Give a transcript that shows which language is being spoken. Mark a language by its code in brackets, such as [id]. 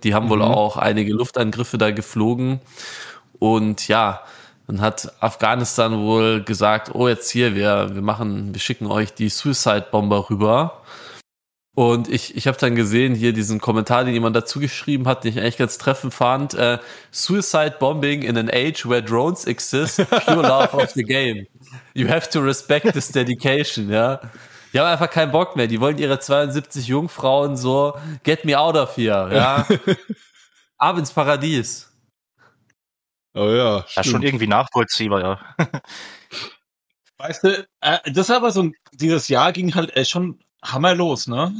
[de] Die haben wohl auch einige Luftangriffe da geflogen. Und ja, dann hat Afghanistan wohl gesagt, oh, jetzt hier, wir schicken euch die Suicide-Bomber rüber. Und ich habe dann gesehen, hier diesen Kommentar, den jemand dazu geschrieben hat, den ich eigentlich ganz treffend fand. [en] Suicide bombing in an age where drones exist, pure love of the game. You have to respect this dedication, ja. [de] Die haben einfach keinen Bock mehr. Die wollen ihre 72 Jungfrauen so, [en] get me out of here, [de] ja. Ab ins Paradies. Oh ja, stimmt. Ja, schon irgendwie nachvollziehbar, ja. Weißt du, das war aber so, dieses Jahr ging halt schon Hammer los, ne?